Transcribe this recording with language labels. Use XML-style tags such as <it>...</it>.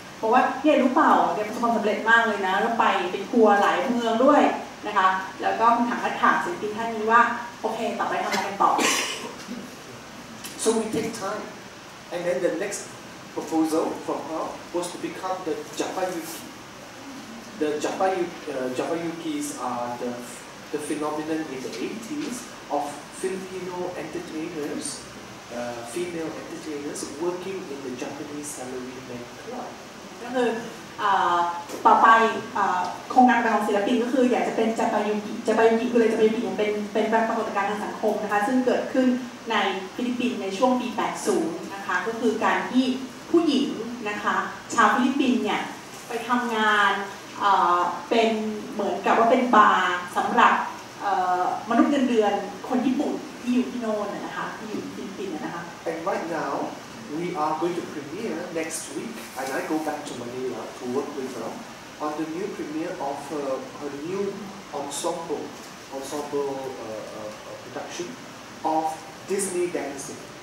<th>บอกว่าเนี่ยรู้เปล่าเนี่ยประสบความสำเร็จมากเลยนะเราไปเป็นครัวหลายเมืองด้วยนะคะแล้วก็ถามและถามศิลปินท่านนี้ว่าโอเคต่อไปทำอะไรต่อ</th> <en>So we take time, and then the next proposal from her was to become the Japayuki. The Japayukis are the phenomenon in the 80s of Filipino entertainers. Female entertainers working in the Japanese salaryman club.</en> <th>ก็คือต่อไปโครงการของศิลปินก็คืออยากจะเป็นจัปายุกิจัปายุกิคืออะไรจัปายุกิเป็นแบบปรากฏการณ์ทางสังคมนะคะซึ่งเกิดขึ้นในฟิลิปปินส์ในช่วงปี80นะคะก็คือการที่ผู้หญิงนะคะชาวฟิลิปปินส์เนี่ยไปทำงานเป็นเหมือนกับว่าเป็นบาร์สำหรับมนุษย์เงินเดือนคนญี่ปุ่นที่อยู่ที่โน่นนะคะที่อยู่</th> <en>And right now, we are going to premiere next week, and I go back to Manila to work with her on the new premiere of her new ensemble production of Disney Dancing.</en>